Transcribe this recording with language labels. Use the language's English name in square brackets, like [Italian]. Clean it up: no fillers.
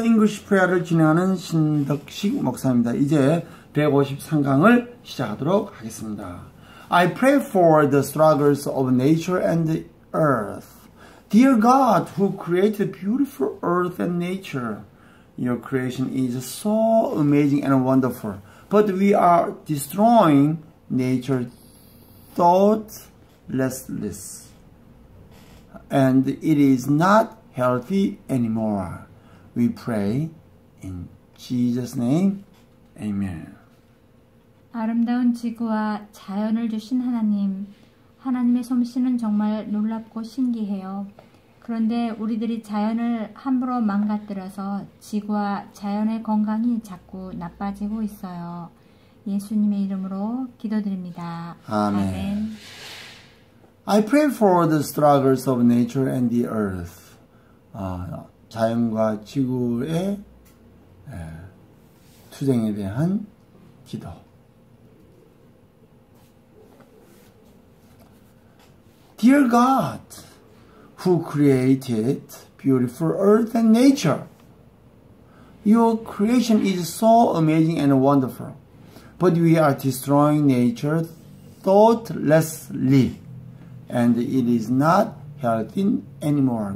[Korean] 잉글리시 프레어를 진행하는 신덕식 목사입니다. 이제 153강을 시작하도록 하겠습니다. [English] I pray for the struggles of nature and the earth. Dear God, who created beautiful earth and nature, your creation is so amazing and wonderful. But we are destroying nature thoughtlessly. And it is not healthy anymore. We pray in Jesus' name. Amen. [Korean] 아름다운 지구와 자연을 주신 하나님, 하나님의 솜씨는 정말 놀랍고 신기해요. 그런데 우리들이 자연을 함부로 망가뜨려서 지구와 자연의 건강이 자꾸 나빠지고 있어요. 예수님의 이름으로 기도드립니다. 아멘. [English] I pray for the struggles of nature and the earth. [Korean] 자연과 지구의 투쟁에 대한 기도. [English] Dear God, who created beautiful earth and nature, your creation is so amazing and wonderful, but we are destroying nature thoughtlessly, and it is not healthy anymore.